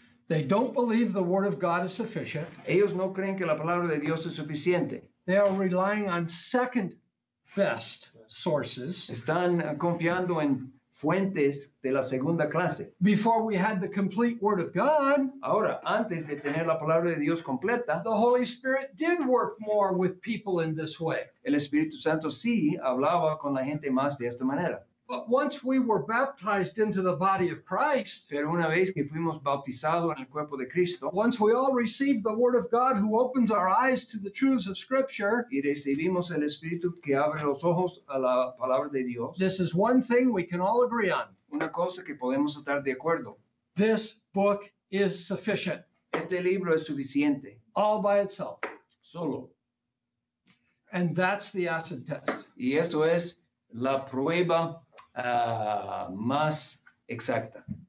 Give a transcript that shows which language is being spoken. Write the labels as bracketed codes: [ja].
[en] They don't believe the word of God is sufficient. [es] Ellos no creen que la palabra de Dios es suficiente. [en] They are relying on second best sources. [es] Están confiando en fuentes de la segunda clase. [en] Before we had the complete word of God. [es] Ahora, antes de tener la palabra de Dios completa. [en] The Holy Spirit did work more with people in this way. [es] El Espíritu Santo sí hablaba con la gente más de esta manera. [en] But once we were baptized into the body of Christ. [es] Pero una vez que fuimos bautizados en el cuerpo de Cristo. [en] Once we all received the word of God who opens our eyes to the truths of Scripture. [es] Y recibimos el Espíritu que abre los ojos a la palabra de Dios. [en] This is one thing we can all agree on. [es] Una cosa que podemos estar de acuerdo. [en] This book is sufficient. [es] Este libro es suficiente. [en] All by itself. [es] Solo. [en] And that's the acid test. [es] Y eso es la prueba más exacta.